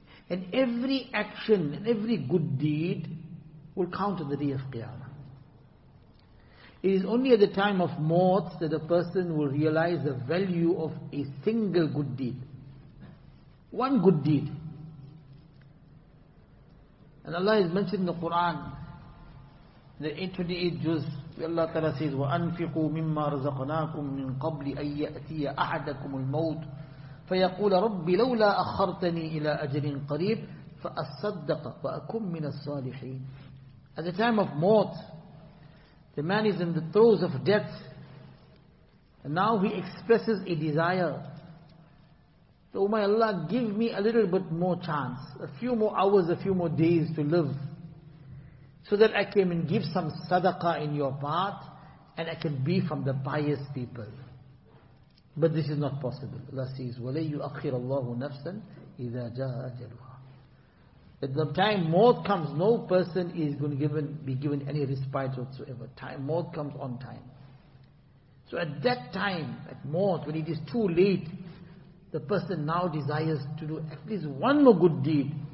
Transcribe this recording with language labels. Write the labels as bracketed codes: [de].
[en] And every action and every good deed will count on the day of Qiyamah. It is only at the time of maut that a person will realize the value of a single good deed. One good deed. And Allah has mentioned in the Quran, the 28 Juz, Allah Ta'ala says, [ar] وَأَنْفِقُوا مِمَّا رَزَقْنَاكُمْ مِنْ قَبْلِ أَنْ يَأْتِيَ أَحَدَكُمُ الْمَوْتُ فَيَقُولَ رَبِّ لَوْلَا أَخَّرْتَنِي إِلَىٰ أَجَلٍ قَرِيبٍ فَأَصَّدَّقَ وَأَكُمْ مِنَ الصَّالِحِينَ. [en] At the time of mort, the man is in the throes of death, and now he expresses a desire. So, oh my Allah, give me a little bit more chance, a few more hours, a few more days to live, so that I came and give some sadaqah in your path, and I can be from the pious people. But this is not possible. Allah says, [ar] وَلَيْ يُؤَخِّرَ اللَّهُ نَفْسًا إِذَا جَاءَ أَجَلُهَا. [en] At the time maut comes, no person is going to be given any respite whatsoever. Time, maut comes on time. So at that time, at maut, when it is too late, the person now desires to do at least one more good deed.